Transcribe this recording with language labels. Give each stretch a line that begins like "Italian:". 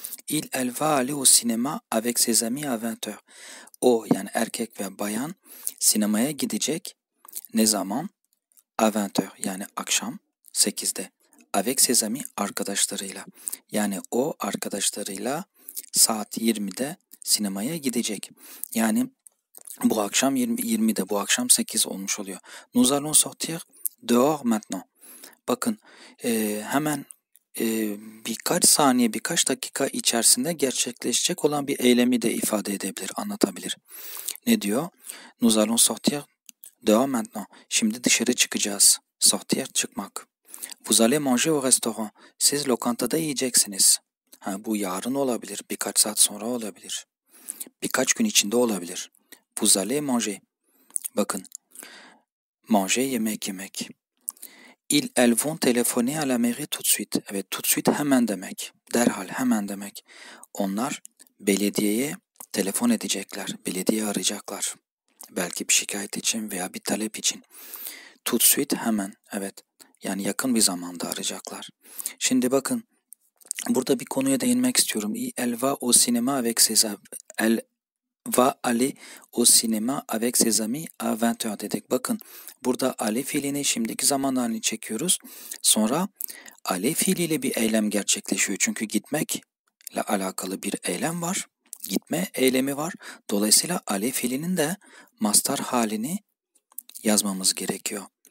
French: Il, elle va aller au cinéma avec ses amis à 20h.
Turkish: O, yani erkek ve bayan, sinemaya gidecek. Ne zaman? À 20h, yani akşam 8'de.
French: Avec ses amis,
Turkish: arkadaşlarıyla. Yani o arkadaşlarıyla saat 20'de sinemaya gidecek. Yani bu akşam 20'de, bu akşam 8 olmuş oluyor.
French: Nous allons sortir dehors maintenant.
Turkish: Bakın, hemen birkaç saniye, birkaç dakika içerisinde gerçekleşecek olan bir eylemi de ifade edebilir, anlatabilir. Ne diyor?
French: Nous allons sortir dehors maintenant.
Turkish: Şimdi dışarı çıkacağız. Sortir, çıkmak.
French: Vous allez manger au restaurant.
Turkish: Siz lokantada yiyeceksiniz. Ha, bu yarın olabilir, birkaç saat sonra olabilir, birkaç gün içinde olabilir.
French: Vous allez manger.
Turkish: Bakın, manger, yemek yemek.
French: Ils, elles vont téléphoner à la mairie tout de suite.
Turkish: Evet,
French: tout de suite
Turkish: hemen demek. Derhal, hemen demek. Onlar belediyeye telefon edecekler, belediyeyi arayacaklar. Belki bir şikayet için veya bir talep için.
French: Tout de suite,
Turkish: hemen, evet. Yani yakın bir zamanda arayacaklar. Şimdi bakın, burada bir konuya değinmek istiyorum.
French: Elle va au cinéma avec ses amis. Elle va aller au cinéma avec ses amis à 20h
Turkish: dedik. Bakın, burada ale fiilini şimdiki zaman halini çekiyoruz. Sonra ale fiiliyle bir eylem gerçekleşiyor. Çünkü gitmekle alakalı bir eylem var. Gitme eylemi var. Dolayısıyla ale fiilinin de mastar halini yazmamız gerekiyor.